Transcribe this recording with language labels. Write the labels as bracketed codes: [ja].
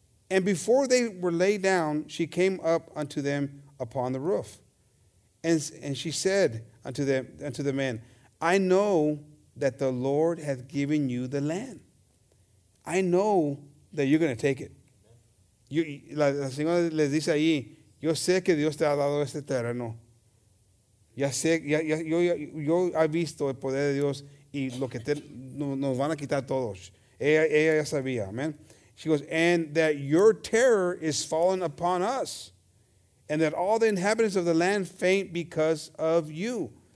[en] And before they were laid down, she came up unto them upon the roof. And she said unto the men, I know that the Lord hath given you the land. I know that you're going to take it. [es] La señora les dice ahí, yo sé que Dios te ha dado este terreno. Yo he visto el poder de Dios y lo que nos van a quitar todos. Ella ya sabía, amen. [en] She goes, and that your terror is fallen upon us, and that all the inhabitants of the land faint because of you.